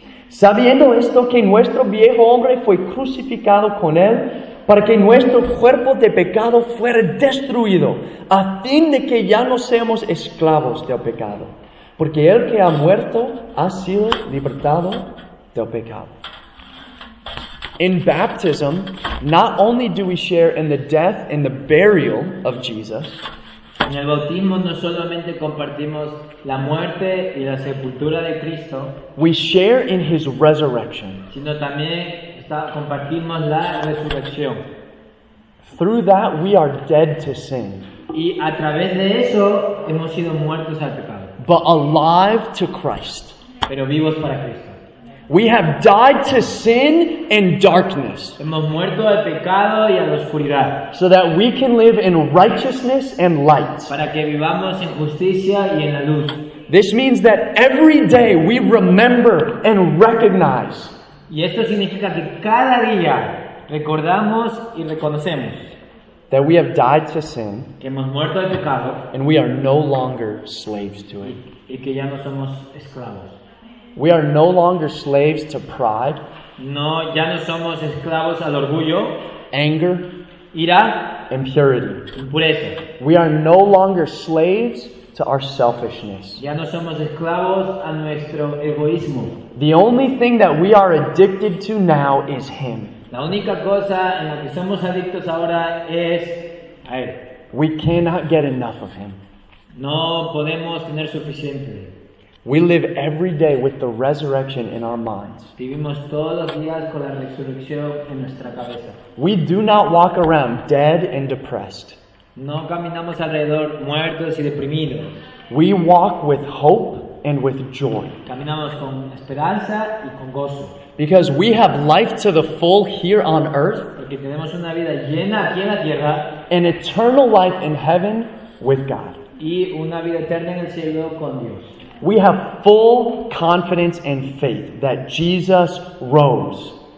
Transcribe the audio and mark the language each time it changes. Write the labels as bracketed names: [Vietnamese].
[Spanish] Sabiendo esto, que nuestro viejo hombre fue crucificado con él, para que nuestro cuerpo de pecado fuera destruido, a fin de que ya no seamos esclavos del pecado. Porque el que ha muerto ha sido libertado del pecado. [English] In baptism, not only do we share in the death and the burial of Jesus. [Spanish] En el bautismo no solamente compartimos la muerte y la sepultura de Cristo. [English] We share in his resurrection. [Spanish] Sino también compartimos la resurrección. [English] Through that we are dead to sin. [Spanish] Y a través de eso hemos sido muertos al pecado. [English] But alive to Christ. [Spanish] Pero vivos para Cristo. [English] We have died to sin and darkness. [Spanish] Hemos muerto al pecado y a la oscuridad. [English] So that we can live in righteousness and light. [Spanish] Para que vivamos en justicia y en la luz. [English] This means that every day we remember and recognize. [Spanish] Y esto significa que cada día recordamos y reconocemos. [English] That we have died to sin. [Spanish] Que hemos muerto al pecado. [English] And we are no longer slaves to it. [Spanish] Y que ya no somos esclavos. [English] We are no longer slaves to pride. [Spanish] No, ya no somos esclavos al orgullo. [English] Anger. [Spanish] Ira. [English] Impurity. [Spanish] Impureza. [English] We are no longer slaves to our selfishness. [Spanish] Ya no somos esclavos a nuestro egoísmo. [English] The only thing that we are addicted to now is Him. [Spanish] La única cosa en la que somos adictos ahora es a Él. [English] We cannot get enough of Him. [Spanish] No podemos tener suficiente. [English] We live every day with the resurrection in our minds. [Spanish] Vivimos todos los días con la resurrección en nuestra cabeza. [English] We do not walk around dead and depressed. [Spanish] No caminamos alrededor muertos y deprimidos. [English] We walk with hope and with joy. [Spanish] Caminamos con esperanza y con gozo. [English] Because we have life to the full here on earth. [Spanish] Porque tenemos una vida llena aquí en la tierra. [English] An eternal life in heaven with God. [Spanish] Y una vida eterna en el cielo con Dios. [English] We have full confidence and faith that Jesus rose.